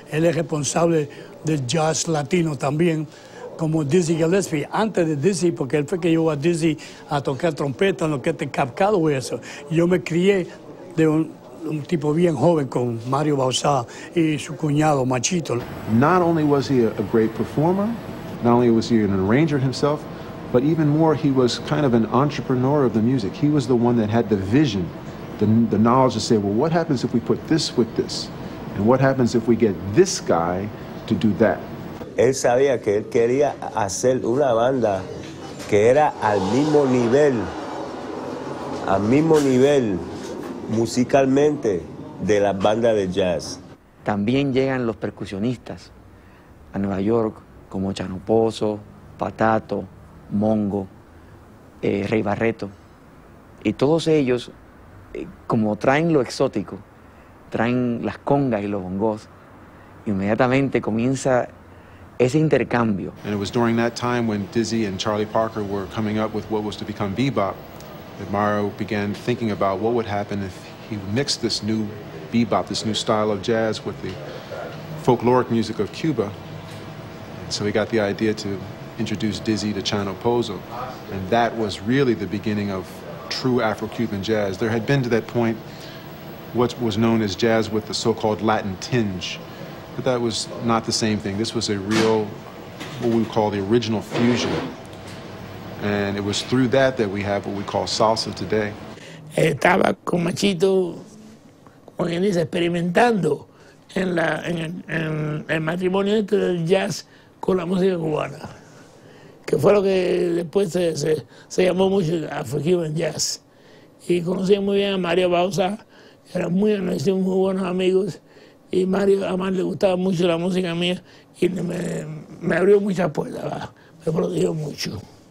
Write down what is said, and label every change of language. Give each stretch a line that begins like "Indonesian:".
Spanish: Él es responsable del jazz latino también, como Dizzy Gillespie, antes de Dizzy, porque él fue que llevó a Dizzy a tocar trompeta en lo que es Cab Calloway, eso. Yo me crié de un tipo bien joven con Mario Bauzá y su cuñado Machito.
English: Not only was he a great performer, not only was he an arranger himself, but even more, he was kind of an entrepreneur of the music. He was the one that had the vision, the knowledge to say, well, what happens if we put this with this? And what happens if we get this guy to do that?
Spanish: Él sabía que él quería hacer una banda que era al mismo nivel musicalmente de la banda de jazz. También llegan los percusionistas a Nueva York, como Chano Pozo, Patato, Mongo, Rey Barreto. Y todos ellos, como traen lo exótico, traen las congas y los bongos, inmediatamente comienza ese intercambio.
English: And it was during that time when Dizzy and Charlie Parker were coming up with what was to become bebop that Mario began thinking about what would happen if he mixed this new bebop, this new style of jazz, with the folkloric music of Cuba. So he got the idea to introduce Dizzy to Chano Pozo, and that was really the beginning of true Afro-Cuban jazz. There had been to that point what was known as jazz with the so-called Latin tinge, but that was not the same thing. This was a real, what we call the original fusion. And it was through that we have what we call salsa today.
Spanish: Estaba con Machito, como quien dice, experimentando en el matrimonio entre el jazz con la música cubana, que fue lo que después se llamó mucho Afro-Cuban Jazz. Y conocí muy bien a Mario Bauzá, eran muy buenos amigos, y Mario, a Mario le gustaba mucho la música mía y me abrió muchas puertas, me protegió mucho.